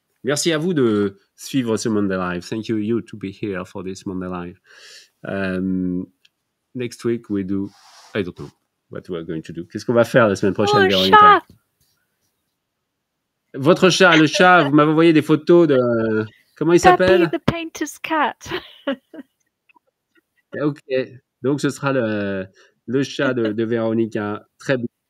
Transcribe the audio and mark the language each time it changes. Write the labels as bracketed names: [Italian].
[French] Merci à vous de suivre ce Monday Live. [English] Thank you, you, to be here for this Monday Live. Next week, we do... I don't know what we're going to do. [French] Qu'est-ce qu'on va faire la semaine prochaine, Véronica? Mon chat! Votre chat, le chat, vous m'avez envoyé des photos de... Comment il s'appelle? [English] Bobby the Painter's Cat. [French] OK. Donc, ce sera le chat de Véronica. Très bien.